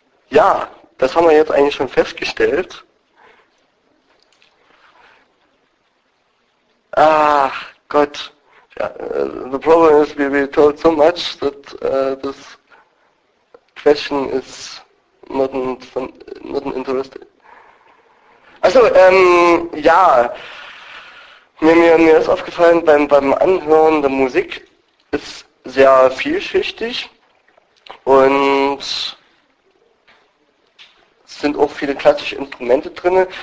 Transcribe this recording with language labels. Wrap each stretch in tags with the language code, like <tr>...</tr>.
<de>ja, das haben wir jetzt eigentlich schon festgestellt. Ach Gott, ja,</de> <en>the problem is we told so much that this question is not an interesting.</en> <de>Also, ja, mir ist aufgefallen, beim Anhören der Musik ist sehr vielschichtig und sind auch viele klassische Instrumente drin.</de>